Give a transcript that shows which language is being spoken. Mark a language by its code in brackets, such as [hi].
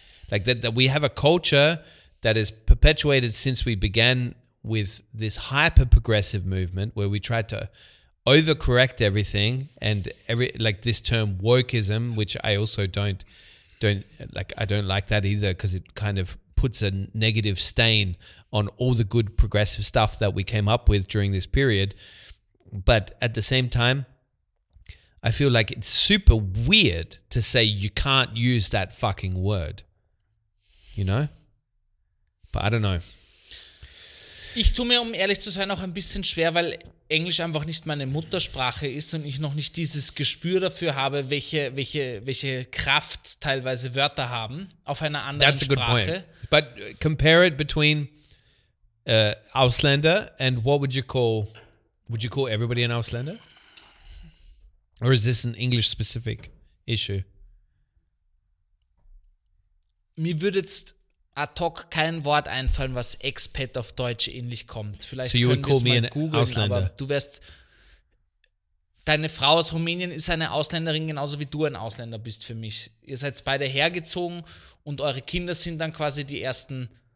[en] Like that we have a culture that is perpetuated since we began with this hyper-progressive movement where we tried to overcorrect everything and like this term wokeism, which I also don't like that either because it kind of puts a negative stain on all the good progressive stuff that we came up with during this period. But at the same time, I feel like it's super weird to say you can't use that fucking word. You know? But I don't know. [de] Ich tue mir, um ehrlich zu sein, auch ein bisschen schwer, weil Englisch einfach nicht meine Muttersprache ist und ich noch nicht dieses Gespür dafür habe, welche Kraft teilweise Wörter haben auf einer anderen [en] That's [de] Sprache. [en] A good point. But compare it between Ausländer and what would you call everybody an Ausländer? Or is this an English-specific issue? [de] mir würde jetzt ad hoc kein Wort einfallen, was Expat auf Deutsch ähnlich kommt. Vielleicht so können wir es mal googeln, aber du wärst, deine Frau aus Rumänien ist eine Ausländerin, genauso wie du ein Ausländer bist für mich. Ihr seid beide hergezogen und eure Kinder sind dann quasi die ersten.